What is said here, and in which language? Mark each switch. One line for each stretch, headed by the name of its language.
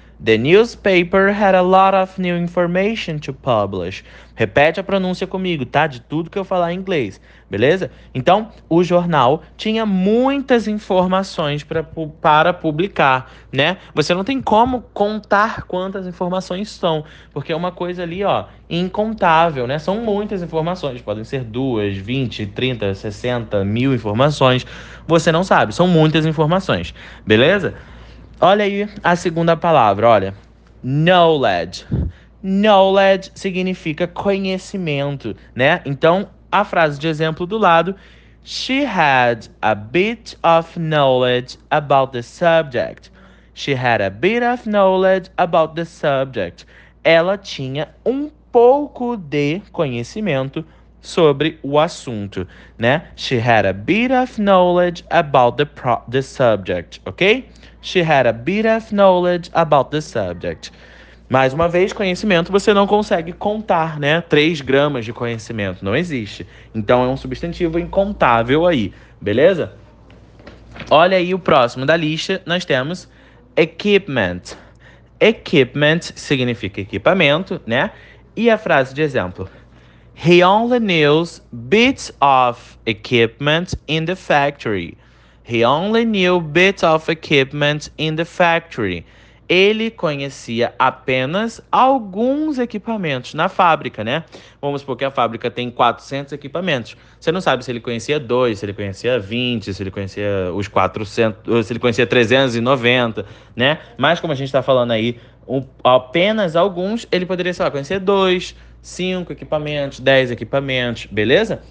English: The newspaper had a lot of new information to publish.
Portuguese: Repete a pronúncia comigo, tá? De tudo que eu falar em inglês, beleza? Então, o jornal tinha muitas informações para publicar, né? Você não tem como contar quantas informações são, porque é uma coisa ali, ó, incontável, né? São muitas informações, podem ser 2, 20, 30, 60 mil informações. Você não sabe, são muitas informações, beleza? Olha aí a segunda palavra, olha. Knowledge. Knowledge significa conhecimento, né? Então, a frase de exemplo do lado:
English: She had a bit of knowledge about the subject. She had a bit of knowledge about the subject.
Portuguese: Ela tinha um pouco de conhecimento sobre o assunto, né?
English: She had a bit of knowledge about the subject, ok? She had a bit of knowledge about the subject.
Portuguese: Mais uma vez, conhecimento você não consegue contar, né? 3 gramas de conhecimento não existe. Então é um substantivo incontável aí, beleza? Olha aí o próximo da lista, nós temos equipment. Equipment significa equipamento, né? E a frase de exemplo:
English: He only knows bits of equipment in the factory. He only knew bits of equipment in the factory.
Portuguese: Ele conhecia apenas alguns equipamentos na fábrica, né? Vamos supor que a fábrica tem 400 equipamentos. Você não sabe se ele conhecia 2, se ele conhecia 20, se ele conhecia os 400, se ele conhecia 390, né? Mas como a gente está falando aí, apenas alguns, ele poderia, sei lá, conhecer 2, 5 equipamentos, 10 equipamentos, beleza?